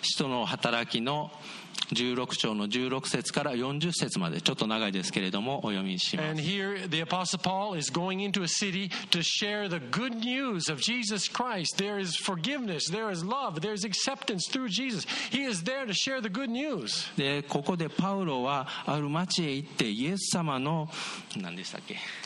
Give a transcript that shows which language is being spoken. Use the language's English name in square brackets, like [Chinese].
[Japanese] 使徒の働きの16章の16節から40節までちょっと長いですけれどもお読みします。 [English] And here the apostle Paul is going into a city to share the good news of Jesus Christ. There is forgiveness, there is love, there is acceptance through Jesus. He is there to share the good news. [Japanese] でここでパウロはある町へ行ってイエス様の何でしたっけ？